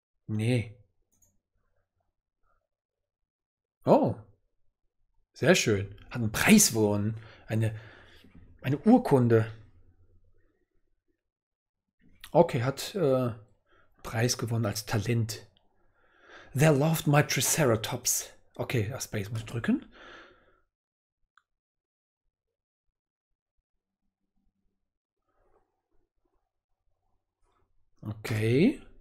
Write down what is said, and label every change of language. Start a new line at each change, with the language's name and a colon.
German: Nee. Oh. Sehr schön. Hat einen Preis gewonnen. Eine Urkunde. Okay, hat Preis gewonnen als Talent.
English: They loved my Triceratops.
German: Okay, das Space muss ich drücken. Okay.